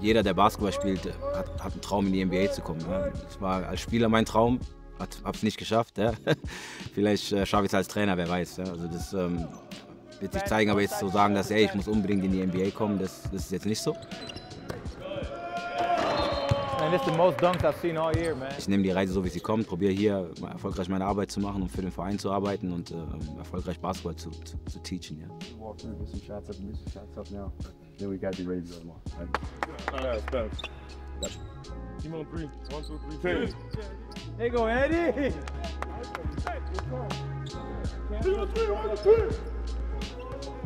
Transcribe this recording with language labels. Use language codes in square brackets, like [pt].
[de] Jeder, der Basketball spielt, hat einen Traum, in die NBA zu kommen. Es war als Spieler mein Traum, hab's nicht geschafft. Ja. Vielleicht schaffe ich es als Trainer, wer weiß. Ja. Also das wird sich zeigen, aber jetzt so sagen, dass ey, ich muss unbedingt in die NBA kommen, das ist jetzt nicht so. [en] Man, this is the most dunks I've seen all year, man. [de] Ich nehme die Reise so, wie sie kommt, probiere hier erfolgreich meine Arbeit zu machen und für den Verein zu arbeiten und erfolgreich Basketball zu teachen. [en] Yeah. Walk through, get some shots up, get some shots up now. Then we got to be ready to go.